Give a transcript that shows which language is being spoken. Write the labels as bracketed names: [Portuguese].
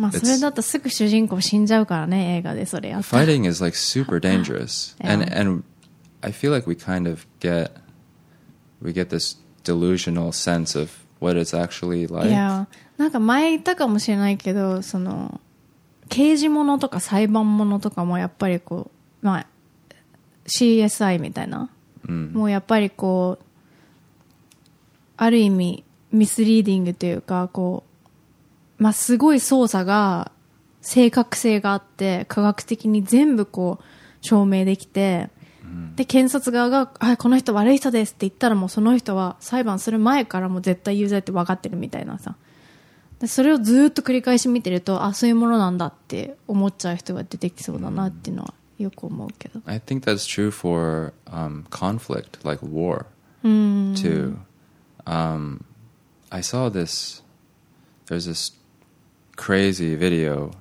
[Japanese] まあ、それだとすぐ主人公死んじゃうからね、映画でそれやって。 [English] Fighting is like super dangerous. Yeah. And I feel like we get this delusional sense of what it's actually like. Yeah. [Japanese] なんか前言ったかもしれないけど、その刑事ものとか裁判ものとかもやっぱりこう、まあ、CSI みたいな、 mm. もうやっぱりこうある意味ミスリーディングというかこう、まあ、すごい捜査が正確性があって科学的に全部こう証明できて、で検察側が、あ、この人悪い人ですって言ったらもうその人は裁判する前からもう絶対有罪って分かってるみたいなさ、でそれをずっと繰り返し見てると、あ、そういうものなんだって思っちゃう人が出てきそうだなっていうのはよく思うけど、 [English] I think that's true for conflict like war too. I saw this, there's this crazy video.